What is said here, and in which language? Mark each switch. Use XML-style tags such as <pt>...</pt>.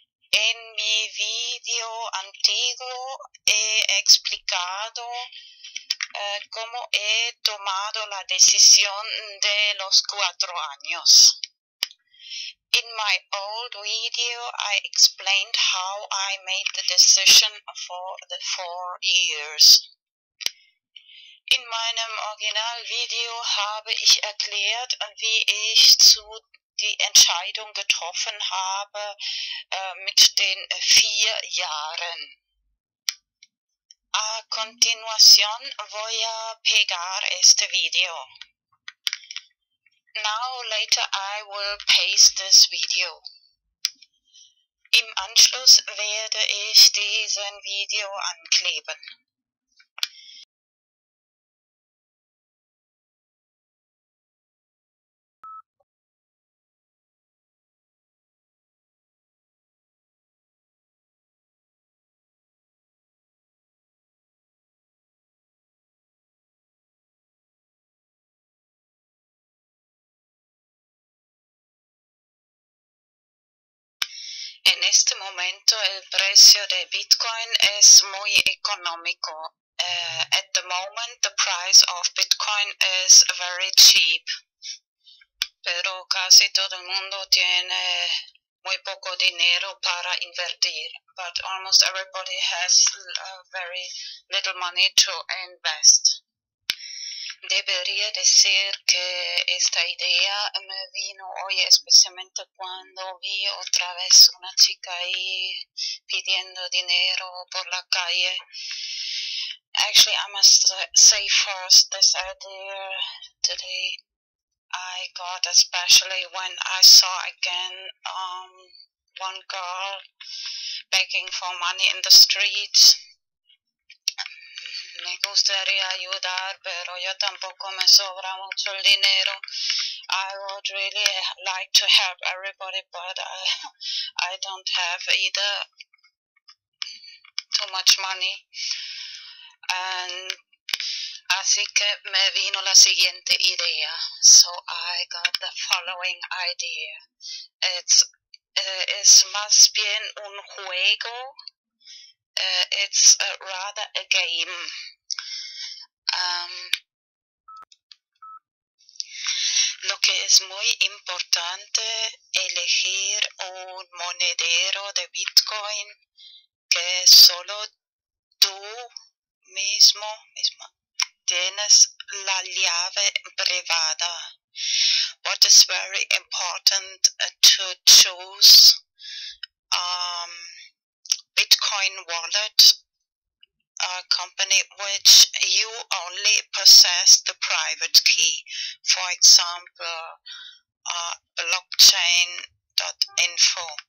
<es>En mi video antiguo he explicado cómo he tomado la decisión de los 4 años.</es> <en>In my old video, I explained how I made the decision for the 4 years.</en> <de>In meinem Originalvideo habe ich erklärt, wie ich zu die Entscheidung getroffen habe mit den 4 Jahren.</de> <es>A continuación voy a pegar este video.</es> <en>Now later I will paste this video.</en> <de>Im Anschluss werde ich diesen Video ankleben.</de> <es>En este momento el precio de Bitcoin es muy económico.</es> <en>At the moment the price of Bitcoin is very cheap.</en> <es>Pero casi todo el mundo tiene muy poco dinero para invertir.</es> <en>But almost everybody has very little money to invest.</en> <es>Debería decir que esta idea me vino hoy especialmente cuando vi otra vez una chica ahí pidiendo dinero por la calle.</es> <en>Actually, I must say first this idea today I got, especially when I saw again one girl begging for money in the streets.</en> <es>Me gustaría ayudar, pero yo tampoco me sobra mucho el dinero.</es> <en>I would really like to help everybody, but I don't have either too much money.</en> <es>And así que me vino la siguiente idea.</es> <en>So I got the following idea. It's</en> <es>más bien un juego.</es> <en>It's rather a game.</en> <es>Lo que es muy importante elegir un monedero de Bitcoin que solo tú mismo tienes la llave privada.</es> <en>What is very important to choose Bitcoin wallet, a company which you only possess the private key, for example, blockchain.info.</en>